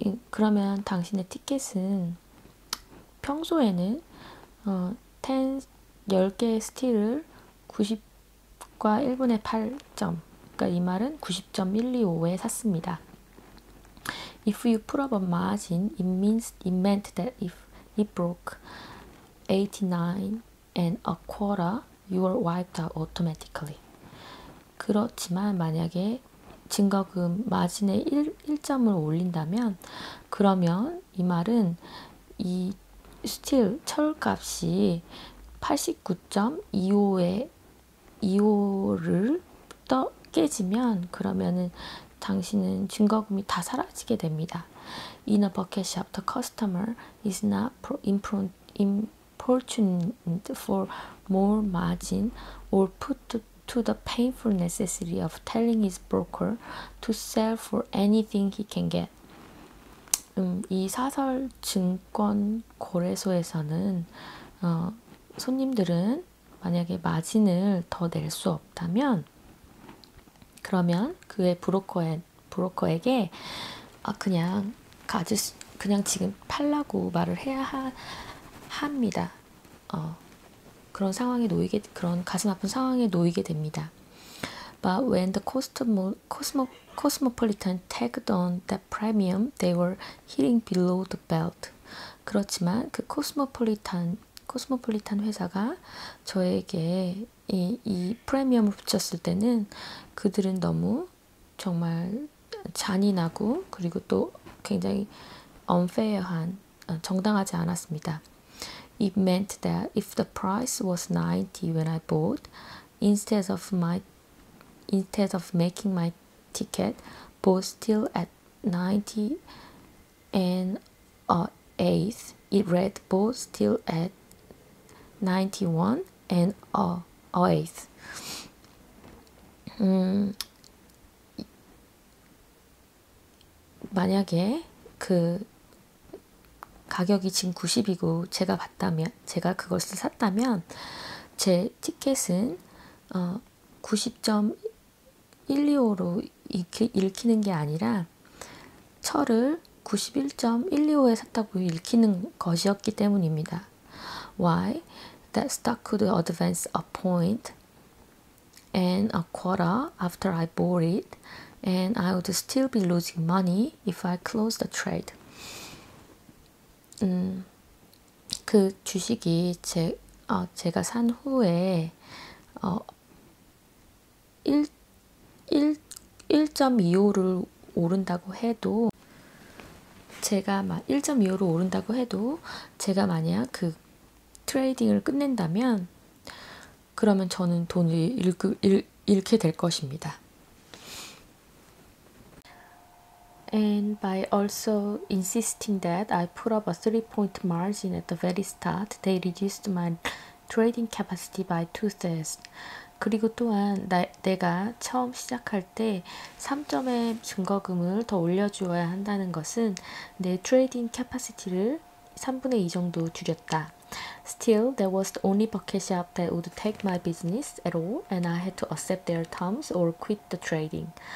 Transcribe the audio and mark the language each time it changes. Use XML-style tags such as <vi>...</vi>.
<ko>그러면 당신의 티켓은 평소에는 10개의 스틸을 90과 1분의 8점, 그러니까 이 말은 90.125에 샀습니다.</ko> <en>If you put up a margin, it meant that if it broke 89 and a quarter, you were wiped out automatically.</en> <ko>그렇지만 만약에 증거금 마진의 1점을 올린다면, 그러면 이 말은 이 스틸 철값이 89.25를 깨지면 그러면은 당신은 증거금이 다 사라지게 됩니다.</ko> <en>In a bucket shop, the customer is not importunate for more margin or put to the painful necessity of telling his broker to sell for anything he can get.</en> <ko>이 사설 증권 거래소에서는 손님들은 만약에 마진을 더 낼 수 없다면 그러면 그의 브로커에게 그냥 지금 팔라고 말을 해야 합니다. 그런 가슴 아픈 상황에 놓이게 됩니다.</ko> <en>But when the Cosmopolitan tagged on that premium, they were hitting below the belt.</en> <ko>그렇지만 그 코스모폴리탄 회사가 저에게 이 프리미엄을 붙였을 때는 그들은 너무 정말 잔인하고 그리고 또 굉장히 unfair한, 정당하지 않았습니다.</ko> <en>It meant that if the price was 90 when I bought, instead of making my ticket, both still at 90 and 8th, it read both still at 91 and 8th.</en> <ko>만약에 그 가격이 지금 90이고 제가 그것을 샀다면 제 티켓은 90.125로 읽히는 게 아니라 철을 91.125에 샀다고 읽히는 것이었기 때문입니다.</ko> <en>Why? That stock could advance a point and a quarter after I bought it, and I would still be losing money if I closed the trade.</en> <ko>그 주식이 제가 산 후에 1.25를 오른다고 해도 제가 막 1.25로 오른다고 해도 제가 만약 그 트레이딩을 끝낸다면 그러면 저는 돈을 잃게 될 것입니다.</ko> <en>And by also insisting that I put up a 3-point margin at the very start, they reduced my trading capacity by 2/3.</en> <ko>그리고 또한 내가 처음 시작할 때 3점의 증거금을 더 올려주어야 한다는 것은 내 트레이딩 캐파시티를 3분의 2 정도 줄였다.</ko> <en>Still, there was the only bucket shop that would take my business at all, and I had to accept their terms or quit the trading.</en>